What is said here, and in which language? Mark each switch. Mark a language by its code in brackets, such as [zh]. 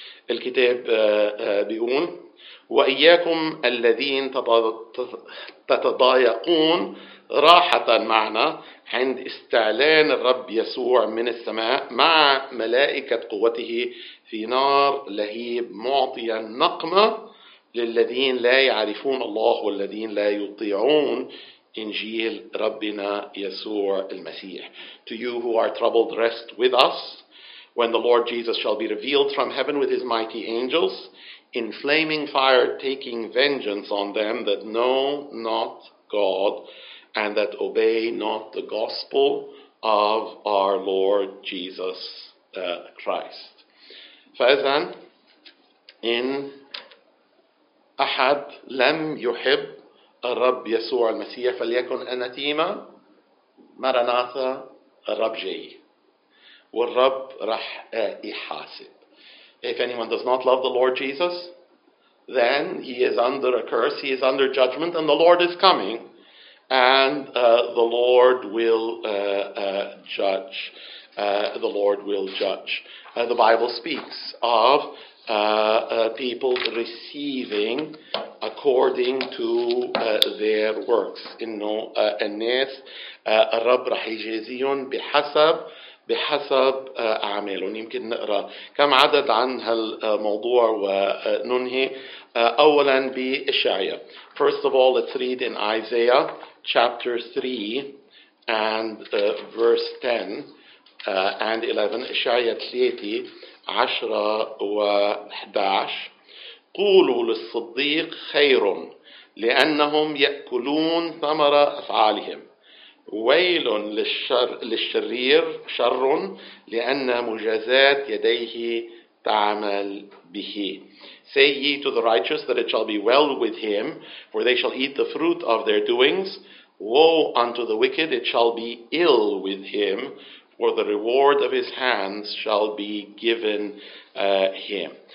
[ar] الكتاب بيقول, وإياكم الذين تتضايقون راحة معنا عند استعلان الرب يسوع من السماء مع ملائكة قوته في نار لهيب, معطيا نقمة للذين لا يعرفون الله والذين لا يطيعون إنجيل ربنا يسوع المسيح. [en] To you who are troubled, rest with us when the Lord Jesus shall be revealed from heaven with his mighty angels in flaming fire, taking vengeance on them that know not God and that obey not the gospel of our Lord Jesus Christ. [ar] فإذن إن أحد لم يحب الرب يسوع المسيح فليكن أناتيما, مرناثا الرب جاي والرب رح يحاسب. [en] If anyone does not love the Lord Jesus, then he is under a curse, he is under judgment, and the Lord is coming, and the Lord will judge. The Lord will judge. The Bible speaks of people receiving according to their works. [ar] إنه الناس الرب رح يجازيهم بحسب بحسب أعمالهم. يمكن نقرأ كم عدد عن هالموضوع وننهي. أولا بإشعياء. [en] First of all, let's read in Isaiah chapter 3 and verse 10 and 11. [ar] إشعياء 3:10-11. قولوا للصديق خير لأنهم يأكلون ثمر أفعالهم. ويل للشرير شر لأن مجازات يديه تعمل به. [en] Say ye to the righteous that it shall be well with him, for they shall eat the fruit of their doings. Woe unto the wicked, it shall be ill with him, for the reward of his hands shall be given him.